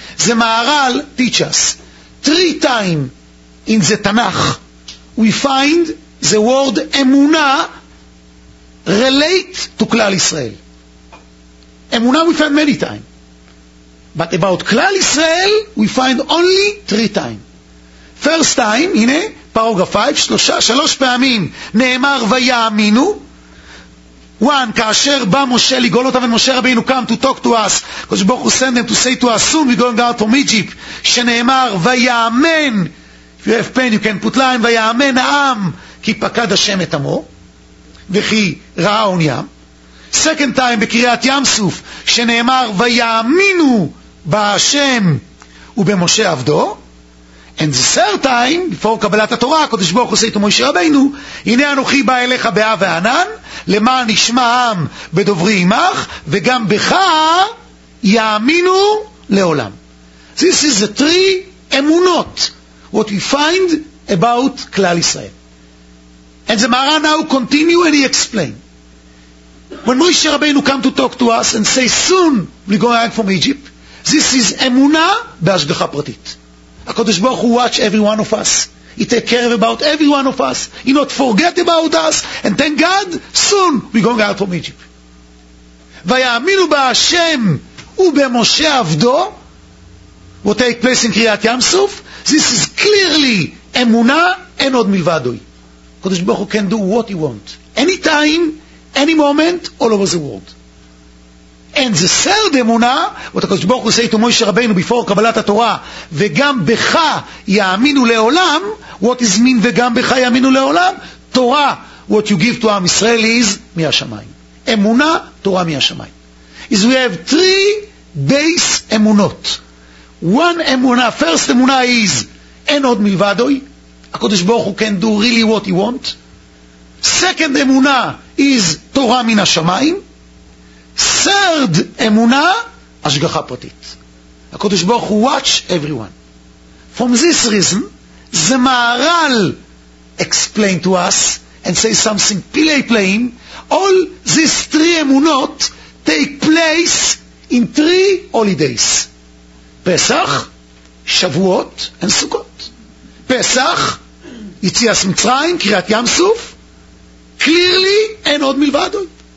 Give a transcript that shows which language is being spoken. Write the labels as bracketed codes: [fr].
[en] The Maharal teaches us, three times in the Tanakh, we find the word Emunah relate to Klal Yisrael. Emunah we find many times. But about Klal Yisrael, we find only three times. [he] First time, הנה, פרוגרף 5, שלוש פעמים נאמר ויאמינו. [en] One, [he] כאשר בא משה לגאול אותם, [en] and משה רבינו come to talk to us, because we will send them to say to us, soon we're going out from Egypt, [he] שנאמר ויאמן. [en] If you have pen, you can put line, [he] ויאמן העם, כי פקד השם את עמו, וכי ראה און ים. [en] Second time, [he] בקריאת ים סוף, שנאמר ויאמינו בהשם ובמשה עבדו. [en] And the third time, before [he] קבלת התורה, הקדוש ברוך הוא עושה איתו משה רבינו, הנה אנוכי בא אליך באה וענן, למען ישמע העם בדוברי עמך, וגם בך יאמינו לעולם. [en] This is the three אמונות, what we find about כלל ישראל. And the Maharal now continue and he explain. When משה רבינו come to talk to us and say, soon we go back from Egypt, this is [he] אמונה בהשגחה פרטית. [en] הקדוש ברוך הוא watch every one of us. He take care about every one of us. He not forget about us. And thank God, soon we're going out from Egypt. [he] ויאמינו בהשם ובמשה עבדו, [en] what take place in [he] קריאת ים סוף, [en] this is clearly [he] אמונה, אין עוד מלבדוי. [en] הקדוש ברוך הוא can do what he want. Any time, any moment, all over the world. And the third אמונה, what הקדוש ברוך הוא say to משה רבינו before קבלת התורה, [he] וגם בך יאמינו לעולם, [en] what is mean וגם בך יאמינו לעולם? [he] תורה, [en] what you give to [he] עם ישראל is מהשמיים. אמונה, תורה מהשמיים. [en] Is we have three base אמונות. One אמונה, first אמונה is, [he] אין עוד מלבדוי, [en] הקדוש ברוך הוא can do really what he want. [he] Second אמונה is תורה מן השמיים. Third אמונה, השגחה פרטית. הקדוש ברוך הוא [en] watch everyone. From this reason, the Maharal explain to us and say something pilei pleim, all these three אמונות take place in three holidays. Pesach, Shavuot, and Sukkot. Pesach, Yitzias Mitzrayim, Kriyat Yam Suf, clearly, and od milvado.